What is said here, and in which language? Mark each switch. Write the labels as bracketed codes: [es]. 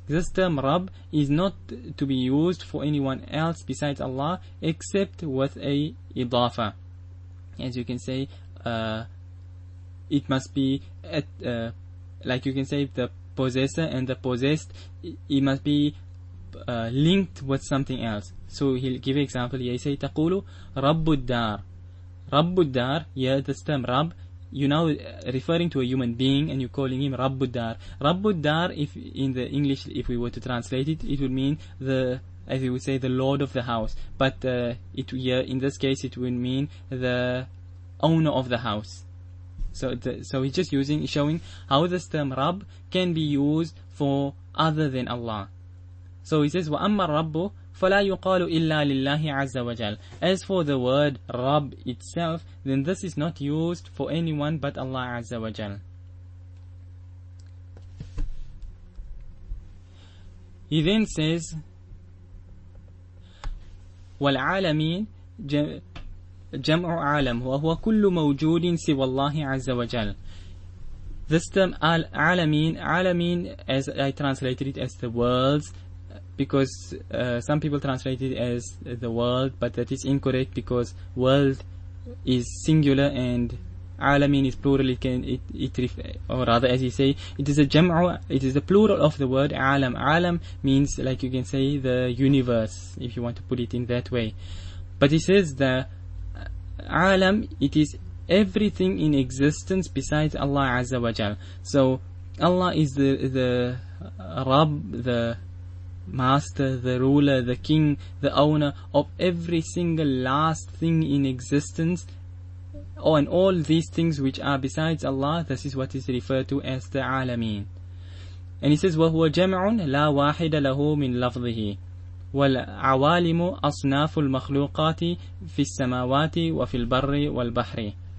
[en] This term Rabb is not to be used for anyone else besides Allah except with a idafa. As you can say, it must be at, like you can say, the possessor and the possessed, it must be linked with something else. So he'll give an example. He say, [ar] تَقُولُ رَبُّ الدَّارِ. [en] رَبُّ الدَّارِ, yeah, this term Rabb, you're now referring to a human being and you're calling him Rabbuddar. Rabbuddar, if in the English, if we were to translate it, it would mean the, as you would say, the lord of the house. But it, yeah, in this case, it would mean the owner of the house. So he's just using, showing how this term Rabb can be used for other than Allah. So he says, [ar] وَأَمَّا الرَّبُّ فَلَا يُقَالُ إِلَّا لِلَّهِ عَزَّ وَجَلَّ. [en] As for the word Rabb itself, then this is not used for anyone but Allah Azza wa Jal. He then says, [ar] وَالْعَالَمِينَ جَمْعُ عَالَمٍ وَهُوَ كُلُّ مَوْجُودٍ سِوَى اللَّهِ عَزَّ وَجَلَّ. [en] This term Al-Alameen, as I translated it, as the worlds, because some people translate it as the world, but that is incorrect because world is singular and alameen is plural. It is a plural of the word alam. Alam means, like you can say, the universe, if you want to put it in that way. But he says the alam, it is everything in existence besides Allah Azza wa Jal. So Allah is the Rabb, the master, the ruler, the king, the owner of every single last thing in existence. Oh, and all these things which are besides Allah, this is what is referred to as the alameen. And he says, [ar] وَهُوَ جَمْعٌ لَا وَاحِدَ لَهُ مِنْ لَفْظِهِ وَالْعَوَالِمُ أَصْنَافُ الْمَخْلُوقَاتِ فِي السَّمَاوَاتِ وَفِي الْبَرِّ وَالْبَحْرِ.